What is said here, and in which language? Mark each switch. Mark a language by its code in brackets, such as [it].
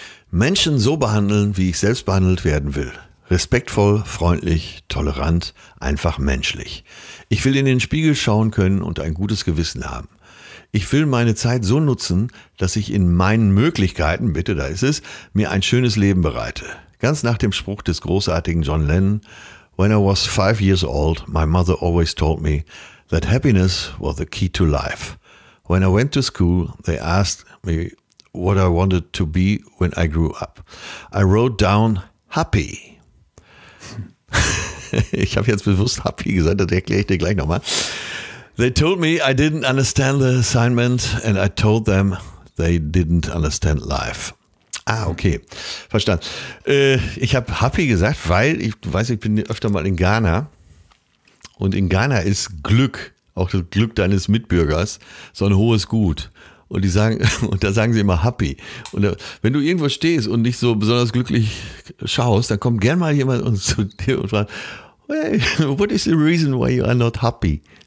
[de] Menschen so behandeln, wie ich selbst behandelt werden will. Respektvoll, freundlich, tolerant, einfach menschlich. Ich will in den Spiegel schauen können und ein gutes Gewissen haben. Ich will meine Zeit so nutzen, dass ich in meinen Möglichkeiten, bitte, da ist es, mir ein schönes Leben bereite. Ganz nach dem Spruch des großartigen John Lennon, [en] When I was 5 years old, my mother always told me that happiness was the key to life. When I went to school, they asked me what I wanted to be when I grew up. I wrote down happy. [de] Ich habe jetzt bewusst happy gesagt, das erkläre ich dir gleich nochmal. [en] They told me I didn't understand the assignment and I told them they didn't understand life. [de] Ah, okay. Verstanden. Ich habe happy gesagt, weil ich weiß, ich bin öfter mal in Ghana und in Ghana ist Glück, auch das Glück deines Mitbürgers, so ein hohes Gut. Und die sagen, und da sagen sie immer happy. Und wenn du irgendwo stehst und nicht so besonders glücklich schaust, dann kommt gern mal jemand zu dir und fragt, [en] hey, what is the reason why you are not happy?